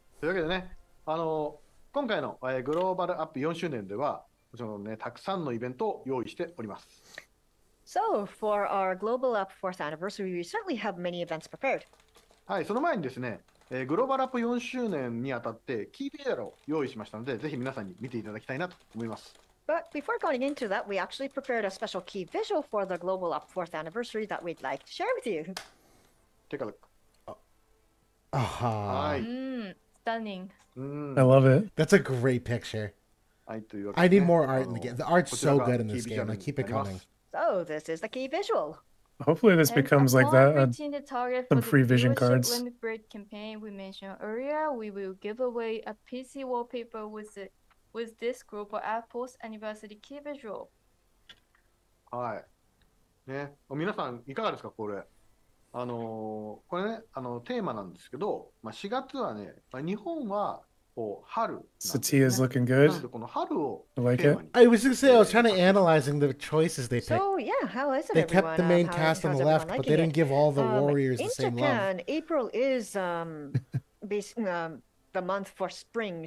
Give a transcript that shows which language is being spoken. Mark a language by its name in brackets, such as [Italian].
[Japanese] というわけでね、今回のグローバルアップ4周年では、もちろんね、たくさんのイベントを用意しております。 [English] So for our Global Up 4th anniversary, we certainly have many events prepared. [Japanese] はい、その前にですね、グローバルアップ4周年にあたってキーフィギュアを用意しましたので、ぜひ皆さんに見ていただきたいなと思います。 [English] But before going into that, we actually prepared a special key visual for the Global Up 4th anniversary that we'd like to share with you. Take a look. Stunning. I love it. That's a great picture. I need more art in the game. The art's so good in this game. I keep it coming. So this is the key visual. Hopefully this becomes like that. Some free vision cards. Limit break campaign we mentioned earlier, we will give away a PC wallpaper with this group of Apple's anniversary key visual. [Japanese] はい。ね、皆さんいかがですかこれ。これね、テーマなんですけど、まあ4月はね、まあ日本は。 [English] Satya's looking good. I like it. I was going to say, I was trying to analyzing the choices they picked. So, yeah, how is it? They kept the main cast on the left, but they didn't give all the warriors the same Japan, In Japan, April is the month for spring.